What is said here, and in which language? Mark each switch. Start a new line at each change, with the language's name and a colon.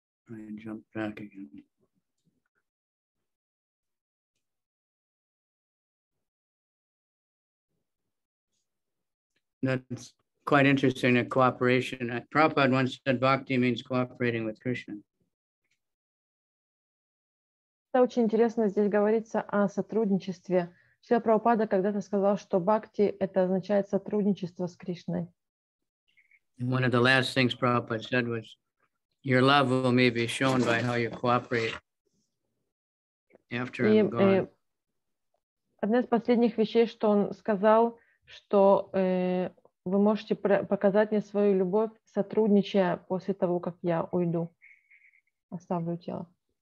English: I jumped back again. That's quite interesting, a cooperation. Prabhupada once said bhakti means cooperating with Krishna.
Russian: Это очень интересно, здесь говорится о сотрудничестве. Шрила Прабхупада когда-то сказал, что бхакти — это означает сотрудничество с Кришной.
English: One of the last things Prabhupada said was, your love will maybe be shown by how you cooperate after I'm gone.
Russian: Одна из последних вещей, что он сказал, что вы можете показать мне свою любовь, сотрудничая после того, как я уйду, оставлю тело.